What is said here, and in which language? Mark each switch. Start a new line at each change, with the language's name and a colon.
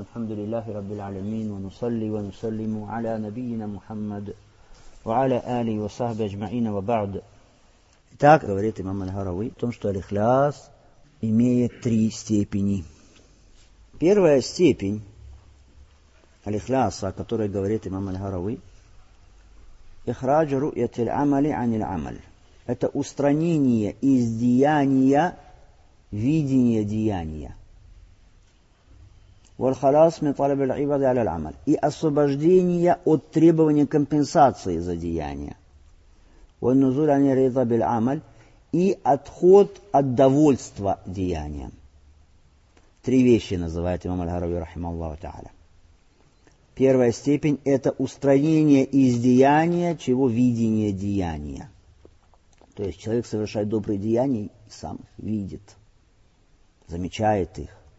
Arabic: الحمد لله رب العالمين، ونصلي ونسلم على نبينا محمد وعلى آله وصحبه أجمعين، وبعد.
Russian: Итак, говорит имам аль-Харави о том, что аль-Ихлас имеет три степени. Первая степень аль-Ихласа, о которой говорит имам аль-Харави,
Arabic: ихрадж руят аль-амали ан аль-амаль.
Russian: Это устранение из деяния видения деяния.
Arabic: والخلاص من طلب العباد على العمل.
Russian: И освобождение от требования компенсации за деяния.
Arabic: والنزول عن الرضا بالعمل.
Russian: И отход от довольства деянием. Три вещи называет имам аль-Харави рахималлаху тааля. Первая степень – это устранение из деяния, чего видение деяния. То есть человек совершает добрые деяния и сам их видит, замечает их.